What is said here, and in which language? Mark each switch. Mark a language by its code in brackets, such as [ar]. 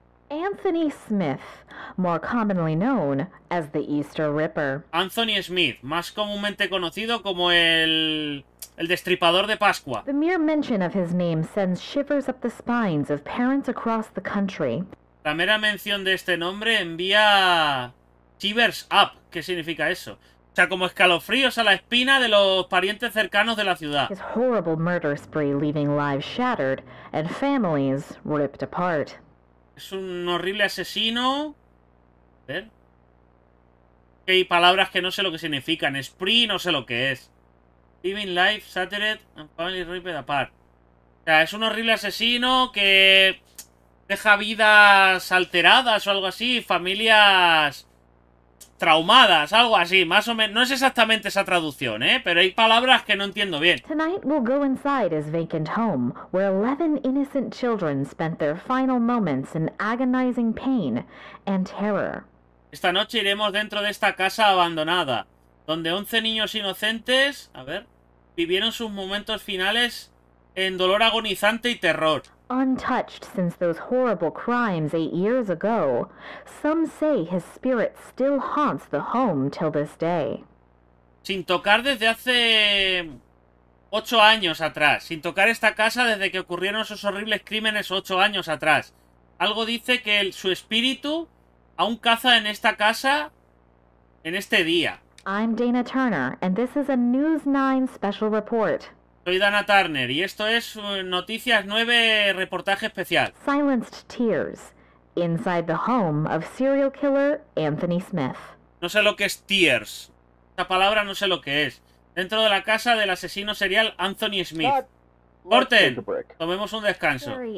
[en] Anthony Smith, more commonly known as the Easter Ripper. [es] Anthony Smith, más comúnmente conocido como el destripador de Pascua. [en] The mere mention of his name sends shivers up the spines of parents across the country. [es] La mera mención de este nombre envía [en] shivers up. [es] ¿Qué significa eso? O sea, como escalofríos a la espina de los parientes cercanos de la ciudad. [en] His horrible murder spree leaving lives shattered and families ripped apart. [es] Es un horrible asesino. A ver. Hay palabras que no sé lo que significan. Spree, no sé lo que es. [en] Living lives shattered and families ripped apart. [es] O sea, es un horrible asesino que... deja vidas alteradas o algo así, familias traumadas, algo así, más o menos. No es exactamente esa traducción, ¿eh? Pero hay palabras que no entiendo bien. [en] Tonight we'll go inside his vacant home, where 11 innocent children spent their final moments in agonizing pain and terror. [es] Esta noche iremos dentro de esta casa abandonada, donde 11 niños inocentes, a ver, vivieron sus momentos finales en dolor agonizante y terror. [en] Untouched since those horrible crimes 8 years ago, some say his spirit still haunts the home till this day. [es] Sin tocar desde hace 8 años atrás, sin tocar esta casa desde que ocurrieron esos horribles crímenes 8 años atrás. Algo dice que su espíritu aún caza en esta casa en este día. [en] I'm Dana Turner, and this is a News 9 special report. [es] Soy Dana Turner y esto es Noticias 9, reportaje especial. [en] Silenced tears inside the home of serial killer Anthony Smith. [es] No sé lo que es tears. Esta palabra no sé lo que es. Dentro de la casa del asesino serial Anthony Smith. Corten. Tomemos un descanso.